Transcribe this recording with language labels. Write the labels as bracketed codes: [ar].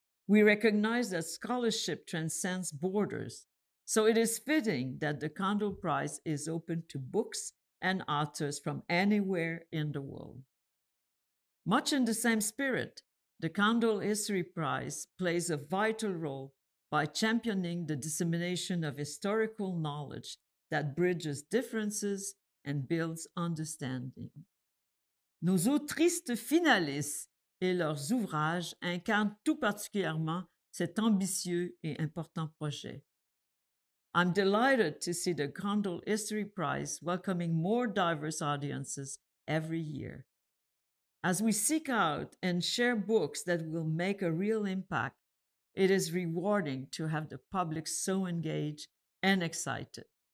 [en] We recognize that scholarship transcends borders, so it is fitting that the Cundill Prize is open to books and authors from anywhere in the world. Much in the same spirit, the Cundill History Prize plays a vital role by championing the dissemination of historical knowledge that bridges differences and builds understanding. [fr] Nos autrices finalistes et leurs ouvrages incarnent tout particulièrement cet ambitieux et important projet. [en] I'm delighted to see the Cundill History Prize welcoming more diverse audiences every year. As we seek out and share books that will make a real impact, it is rewarding to have the public so engaged and excited.